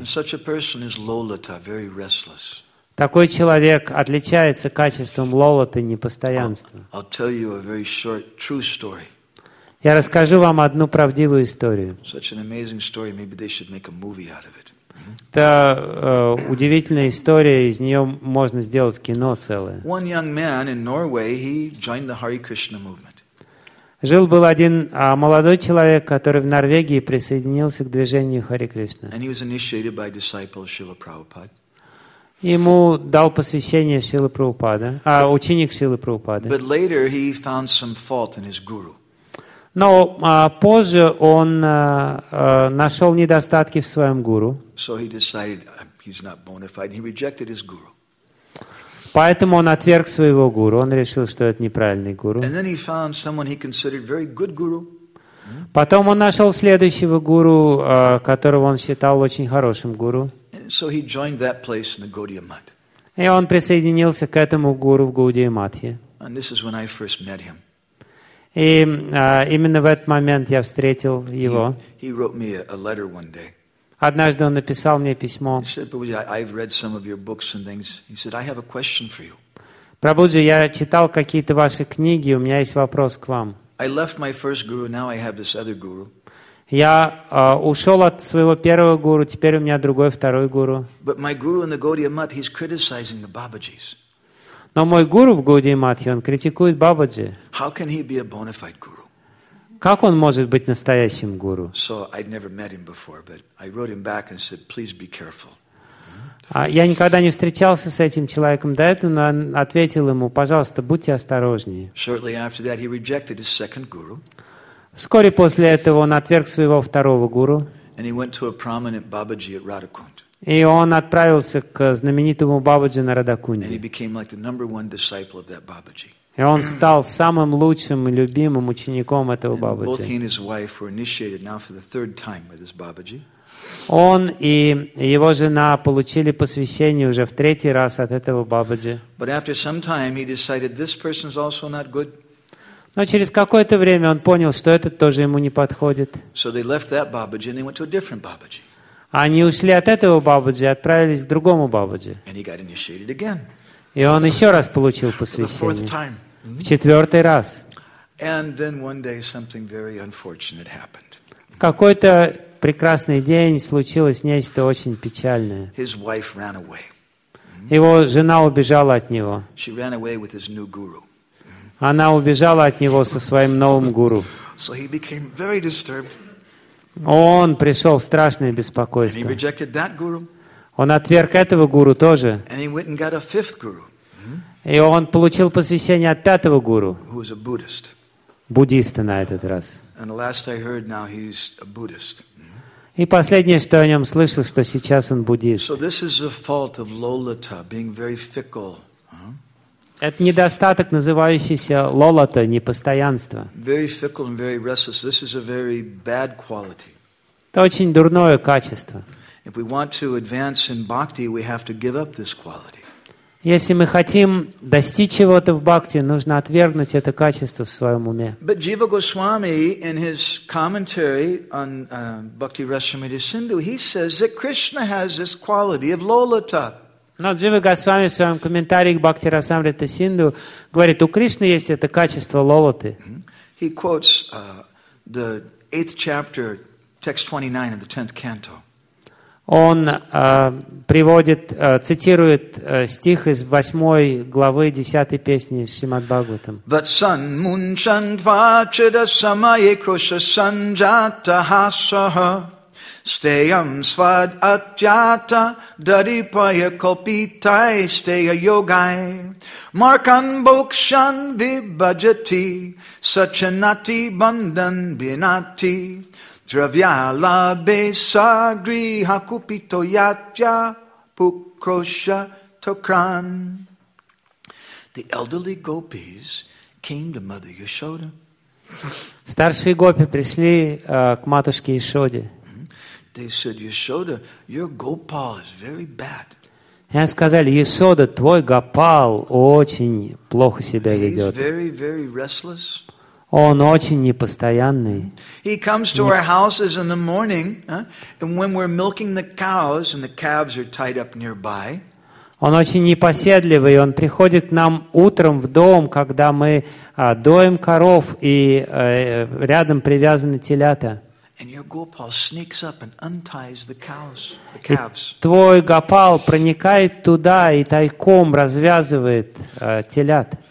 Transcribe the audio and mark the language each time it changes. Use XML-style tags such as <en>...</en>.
<en>And such a person is lolita, very restless.</en> <ru>Такой человек отличается качеством лолоты, непостоянства.</ru> <en>I'll tell you a very short true story.</en> <ru>Я расскажу вам одну правдивую историю.</ru> <en>Such an amazing story. Maybe they should make a movie out of it.</en> <ru>Это удивительная история, из нее можно сделать кино целое.</ru> <en>One young man in Norway, he joined the Hare Krishna movement.</en> <ru>Жил был один молодой человек, который в Норвегии присоединился к движению Hare Krishna.</ru> <en>And he was initiated by a disciple Srila Prabhupada.</en> <ru>Ему дал посвящение Шрилы Прабхупады, ученик Шрилы Прабхупады.</ru> <en>But later he found some fault in his guru.</en> <ru>Но позже он нашел недостатки в своем гуру.</ru> <en>So he decided he's not bona fide. He rejected his guru.</en> <ru>Поэтому он отверг своего гуру. Он решил, что это неправильный гуру.</ru> <en>And then he found someone he considered very good guru.</en> <ru>Потом он нашел следующего гуру, которого он считал очень хорошим гуру.</ru> <en>So he joined that place in the Gaudiya Math.</en> <ru>И он присоединился к этому гуру в Гаудия Матхе.</ru> <en>And this is when I first met him.</en> <ru>И именно в этот момент я встретил его.</ru> <en>He wrote me a letter one day.</en> <ru>Однажды он написал мне письмо.</ru> <en>He said, "Prabhuji, I've read some of your books and things." He said, "I have a question for you."</en> <ru>Прабуджи, я читал какие-то ваши книги, у меня есть вопрос к вам.</ru> <en>I left my first guru, now I have this other guru.</en> <ru>Я ушел от своего первого гуру, теперь у меня другой, второй гуру.</ru> <en>But my guru in the Gaudiya Math, he's criticizing the Babaji's.</en> <ru>Но мой гуру в Гаудии Матхе, он критикует Бабаджи.</ru> <en>How can he be a bona fide guru?</en> <ru>Как он может быть настоящим гуру?</ru> <en>So I'd never met him before, but I wrote him back and said, please be careful.</en> <ru>Я никогда не встречался с этим человеком до этого, но ответил ему, пожалуйста, будьте осторожнее.</ru> <en>Shortly after that, he rejected his second guru.</en> <ru>Вскоре после этого он отверг своего второго гуру.</ru> <en>And he went to a prominent Babaji at Radhakund.</en> <ru>И он отправился к знаменитому Бабаджи на Радакунде.</ru> <en>And he became like the number one disciple of that Babaji.</en> <ru>И он стал самым лучшим и любимым учеником этого Бабаджи.</ru> <en>Both he and his wife were initiated now for the third time with this Babaji.</en> <ru>Он и его жена получили посвящение уже в третий раз от этого Бабаджи.</ru> <en>But after some time he decided this person is also not good.</en> <ru>Но через какое-то время он понял, что этот тоже ему не подходит.</ru> <en>So they left that Babaji and they went to a different Babaji.</en> <ru>Они ушли от этого Бабаджи и отправились к другому Бабаджи.</ru> <en>And he got initiated again.</en> <ru>И он еще раз получил посвящение.</ru> <en>The fourth time. Mm-hmm.</en> <ru>В четвертый раз.</ru> <en>And then one day something very unfortunate happened.</en> <ru>В какой-то прекрасный день случилось нечто очень печальное.</ru> <en>His wife ran away. Mm-hmm.</en> <ru>Его жена убежала от него.</ru> <en>She ran away with his new guru.</en> <ru>Она убежала от него со своим новым гуру.</ru> <en>So he became very disturbed.</en> <ru>Он пришел в страшное беспокойство.</ru> <en>And he rejected that guru.</en> <ru>Он отверг этого гуру тоже.</ru> <en>And he went and got a fifth guru.</en> <ru>И он получил посвящение от пятого гуру.</ru> <en>Who was a Buddhist.</en> <ru>буддиста на этот раз.</ru> <en>And last I heard, now he's a Buddhist.</en> <ru>И последнее, что я о нем слышал, что сейчас он буддист.</ru> <en>So this is a fault of Lolita, being very fickle.</en> <ru>Это недостаток, называющийся лолота, непостоянство.</ru> <en>Very fickle and very restless. This is a very bad quality.</en> <ru>Это очень дурное качество.</ru> <en>If we want to advance in bhakti, we have to give up this quality.</en> <ru>Если мы хотим достичь чего-то в бхакти, нужно отвергнуть это качество в своем уме.</ru> <en>But Jiva Goswami, in his commentary on Bhakti Rasamrita Sindhu, he says that Krishna has this quality of lolita.</en> <ru>Но Джива Госвами в своем комментарии к Бхакти Расамрита Синду говорит, у Кришны есть это качество лолоты.</ru> <en>He quotes the 8th chapter, text 29 of the 10th canto.</en> <ru>Он приводит, цитирует стих из 8 главы 10 песни Шримад Бхагаватам.</ru> <sa>Ватсан мунчан тва чида самайи круша санджата хасаха Stayam svad atyata daripaya kopitai staya yogai Markan bokshan vibhajati sachanati bandhan binati Dravyala besagri hakupito yatya pukrosha tokran.</sa> <en>The elderly gopis came to Mother Yashoda.</en> <ru>Старшие гопи пришли к матушке Ишоде.</ru> <en>They said, Yashoda, your Gopal is very bad.</en> <ru>И они сказали, Yashoda, твой Гопал очень плохо себя ведет.</ru> <en>He's very, very restless.</en> <ru>Он очень непостоянный.</ru> <en>He comes to our houses in the morning, and when we're milking the cows and the calves are tied up nearby.</en> <ru>Он очень непоседливый, он приходит к нам утром в дом, когда мы доим коров, и рядом привязаны телята.</ru> <en>And your Gopal sneaks up and unties the cows, the calves.</en> <ru>Твой Гопал проникает туда и тайком развязывает телят.</ru>